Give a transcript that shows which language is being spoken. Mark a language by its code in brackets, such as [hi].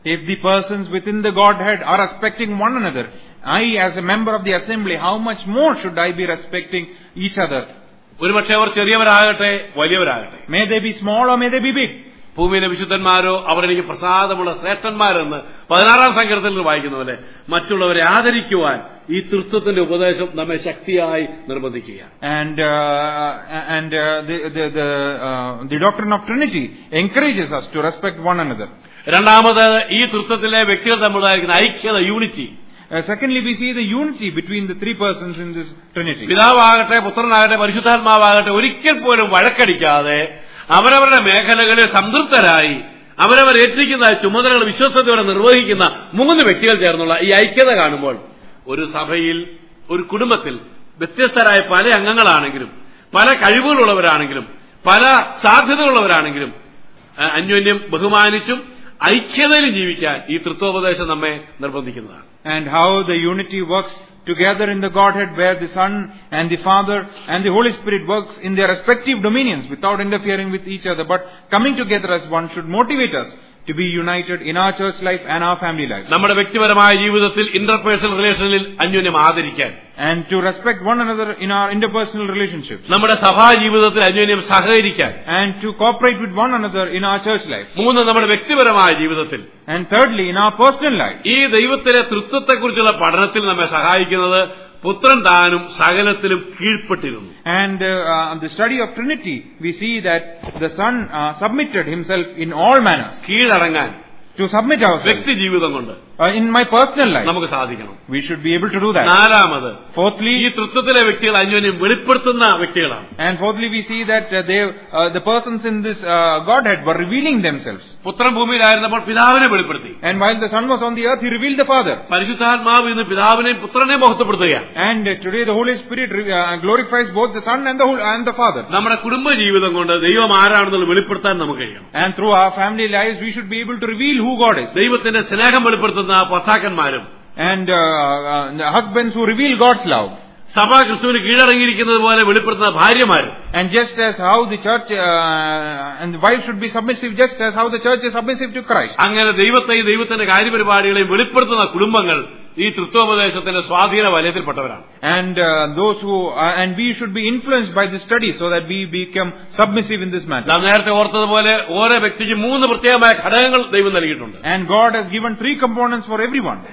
[en] If the persons within the Godhead are respecting one another, I as a member of the assembly, how much more should I be respecting each other? [ml] ഒരു പക്ഷേ അവർ ചെറിയവരാകട്ടെ വലിയവരാകട്ടെ, [en] may they be small or may they be big, [ml] ഭൂമിയിലെ വിശുദ്ധന്മാരോ അവരെനിക്ക് പ്രസാദമുള്ള ശ്രേഷ്ഠന്മാരെന്ന് 16-ാം സങ്കീർത്തനത്തിൽ വായിക്കുന്ന പോലെ മറ്റുള്ളവരെ ആദരിക്കുവാൻ ഈ ത്രിത്വത്തിന്റെ ഉപദേശം നമ്മെ ശക്തിയായി നിർബന്ധിക്കുക. [en] And the doctrine of Trinity encourages us to respect one another. [ml] രണ്ടാമത്, ഈ ത്രിത്വത്തിലെ വ്യക്തികൾ തമ്മിലുണ്ടായിരിക്കുന്ന ഐക്യത, unity. [en] Secondly, we see the unity between the three persons in this Trinity. [ml] പിതാവാകട്ടെ പുത്രനാകട്ടെ പരിശുദ്ധാത്മാവാകട്ടെ ഒരിക്കൽ പോലും വഴക്കടിക്കാതെ അവരവരുടെ മേഖലകളെ സംതൃപ്തരായി അവരവർ ഏറ്റിരിക്കുന്ന ചുമതലകൾ വിശ്വസ്തയോടെ നിർവഹിക്കുന്ന മൂന്ന് വ്യക്തികൾ ചേർന്നുള്ള ഈ ഐക്യത കാണുമ്പോൾ ഒരു സഭയിൽ, ഒരു കുടുംബത്തിൽ വ്യത്യസ്തരായ പല അംഗങ്ങളാണെങ്കിലും പല കഴിവുകളുള്ളവരാണെങ്കിലും പല സാധ്യതകളുള്ളവരാണെങ്കിലും അന്യോന്യം ബഹുമാനിച്ചും ഐക്യതയിൽ ജീവിക്കാൻ ഈ ത്രിത്വോപദേശം നമ്മെ നിർബന്ധിക്കുന്നതാണ്. [en] And how the unity works together in the Godhead, where the Son and the Father and the Holy Spirit works in their respective dominions without interfering with each other, but coming together as one should motivate us to be united in our church life and our family life. [ml] നമ്മുടെ വ്യക്തിപരമായ ജീവിതത്തിൽ interpersonal റിലേഷനിൽ അന്യോന്യം ആദരിക്കാൻ. [en] And to respect one another in our interpersonal relationships. [ml] നമ്മുടെ സഭാ ജീവിതത്തിൽ അന്യോന്യം സഹകരിക്കാൻ. [en] And to cooperate with one another in our church life. [ml] മൂന്ന്, നമ്മുടെ വ്യക്തിപരമായ ജീവിതത്തിൽ. [en] And thirdly, in our personal life. [ml] ഈ ദൈവത്തിലെ ത്രിത്വത്തെക്കുറിച്ചുള്ള പഠനത്തിൽ നമ്മെ സഹായിക്കുന്നത് പുത്രൻ താനും സകലത്തിലും കീഴ്പ്പെട്ടിരുന്നു. [en] And the study of Trinity, we see that the Son submitted himself in all manners. [ml] കീഴടങ്ങാൻ, [en] to submit ourselves, [ml] വ്യക്തി ജീവിതം കൊണ്ട് [en] in my personal life, [ml] നമുക്ക് സാധിക്കണം. [en] We should be able to do that. [ml] നാലാമത്, [en] fourthly, [ml] ഈ ത്രിത്വത്തിലെ വ്യക്തികൾ അന്യോന്യം വെളിപ്പെടുത്തുന്ന വ്യക്തികളാണ്. [en] And fourthly, we see that the persons in this Godhead were revealing themselves. [ml] പുത്രൻ ഭൂമിയിലായിരുന്നപ്പോൾ പിതാവിനെ വെളിപ്പെടുത്തി. [en] And while the Son was on the earth, he revealed the Father. [ml] പരിശുദ്ധാത്മാവ് ഇന്ന് പിതാവിനെയും പുത്രനെയും മഹത്വപ്പെടുത്തുക. [en] And today the Holy Spirit glorifies both the Son and the Father. [ml] നമ്മുടെ കുടുംബ ജീവിതം കൊണ്ട് ദൈവം ആരാണെന്നുള്ള വെളിപ്പെടുത്താൻ നമുക്ക് കഴിയണം. [en] And through our family lives, we should be able to reveal who God is. [ml] ദൈവത്തിന്റെ സ്നേഹം വെളിപ്പെടുത്തുന്ന പത്താക്കന്മാരും, [en] and the husbands who reveal God's love, [ml] സഭാ ക്രിസ്തുവിന് കീഴടങ്ങിയിരിക്കുന്നത് പോലെ വെളിപ്പെടുത്തുന്ന ഭാര്യമാരും, [en] and just as how the church and the wife should be submissive, just as how the church is submissive to Christ, [ml] അങ്ങനെ ദൈവത്തെയും ദൈവത്തിന്റെ കാര്യപരിപാടികളെയും വെളിപ്പെടുത്തുന്ന കുടുംബങ്ങൾ ഈ ത്രിത്വോപദേശത്തിന്റെ സ്വാധീന വലയത്തിൽപ്പെട്ടവരാണ്. [en] And those who and we should be influenced by this study so that we become submissive in this matter. [ml] നാം നേരത്തെ ഓർത്തതുപോലെ ഓരോ വ്യക്തിക്കും മൂന്ന് പ്രത്യേകമായ ഘടകങ്ങൾ ദൈവം നൽകിയിട്ടുണ്ട്. [en] And God has given three components for everyone.